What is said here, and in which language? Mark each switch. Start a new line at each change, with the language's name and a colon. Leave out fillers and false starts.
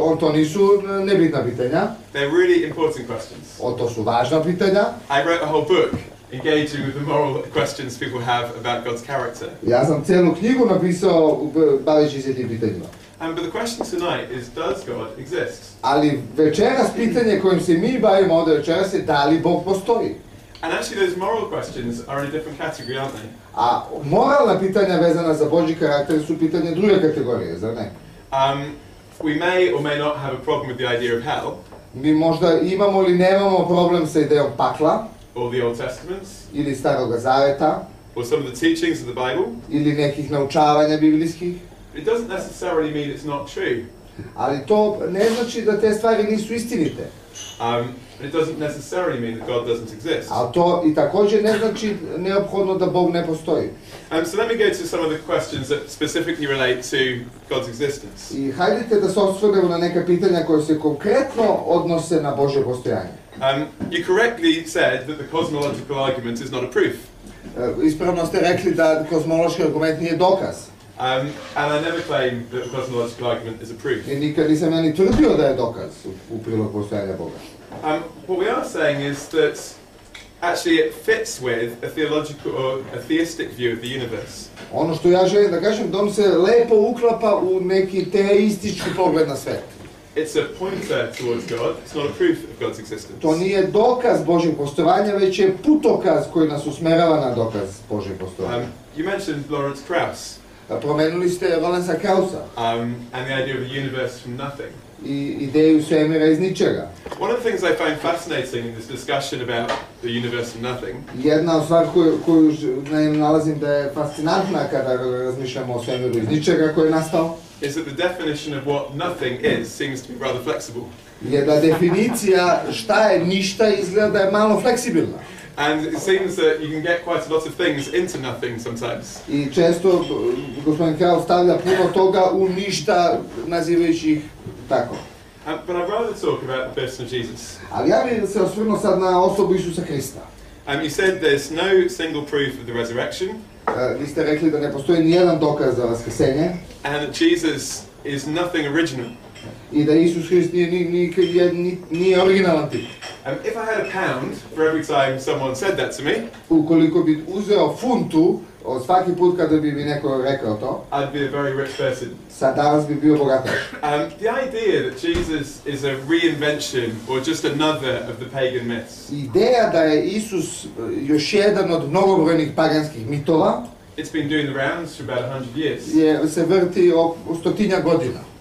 Serbian: To nisu nebitna pitanja.
English: They're really important questions.
Serbian: To su važna pitanja.
English: I wrote a whole book engaging with the moral questions people have about God's character.
Serbian: Ja sam celu knjigu napisao baveći se tim pitanjima.
English: But the question tonight is, does God exist?
Serbian: Ali večeras pitanje kojim se mi bavimo ovde večeras je da li Bog postoji?
English: And actually those moral questions are in a different category, aren't they?
Serbian: A moralna pitanja vezana za Božji karakter su pitanja druge kategorije, zar ne?
English: We may or may not have a problem with the idea of hell.
Serbian: Mi možda imamo ili nemamo problem sa idejom pakla.
English: Or the Old Testaments.
Serbian: Ili Starog Zaveta.
English: Or some of the teachings of the Bible.
Serbian: Ili nekih naučavanja biblijskih.
English: It doesn't necessarily mean it's not true.
Serbian: Ali to ne znači da te stvari nisu istinite.
English: It doesn't necessarily mean that God doesn't exist.
Serbian: A to i također ne znači neophodno da Bog ne postoji.
English: So let me go to some of the questions that specifically relate to God's existence.
Serbian: I hajdite da se osvrnemo na neka pitanja koja se konkretno odnose na Božje postojanje.
English: You correctly said that the cosmological argument is not a proof.
Serbian: Ispravno ste rekli da kozmološki argument nije dokaz.
English: And I never claim that the cosmological argument is a proof.
Serbian: I nikad nisam ja ni tvrdio da je dokaz u prilog postojanja Boga.
English: What we are saying is that actually it fits with a theological or a theistic view of the universe.
Serbian: Ono što ja želim da kažem, da on se lepo uklapa u neki teistički pogled na svet.
English: It's a pointer towards God, it's not a proof of God's existence.
Serbian: To nije dokaz Božjeg postojanja, već je putokaz koji nas usmerava na dokaz Božjeg postojanja.
English: You mentioned Lawrence Krauss.
Serbian: Promenuli ste Lawrence Krausa.
English: And the idea of a universe from nothing.
Serbian: I ideju svemira iz ničega.
English: One of the things I find fascinating in this discussion about the universe from nothing.
Serbian: Jedna od stvari koju nalazim da je fascinantna kada razmišljamo o svemiru iz ničega koji je nastao.
English: Is that the definition of what nothing is seems to be rather flexible.
Serbian: Je da definicija šta je ništa izgleda je malo fleksibilna.
English: And it seems that you can get quite a lot of things into nothing sometimes.
Serbian: I često gospodin Kral stavlja puno toga u ništa nazivajući ih tako.
English: But I'd rather talk about the person of Jesus.
Serbian: Ali ja bih se osvrnuo sad na osobu Isusa Hrista.
English: You said there's no single proof of the resurrection.
Serbian: Vi ste rekli da ne postoji nijedan dokaz za vaskrsenje.
English: And that Jesus is nothing original.
Serbian: I da Isus Hrist nije originalan tip.
English: If I had a pound for every time someone said that to me,
Serbian: ukoliko bi uzeo funtu od svaki put kada bi mi neko rekao to,
English: I'd be a very rich person.
Serbian: Sad danas bi bio bogataš.
English: The idea that Jesus is a reinvention or just another of the pagan myths.
Serbian: Ideja da je Isus još jedan od mnogobrojnih paganskih mitova.
English: It's been doing the rounds for about 100 years.
Serbian: Je se vrti oko stotinja godina.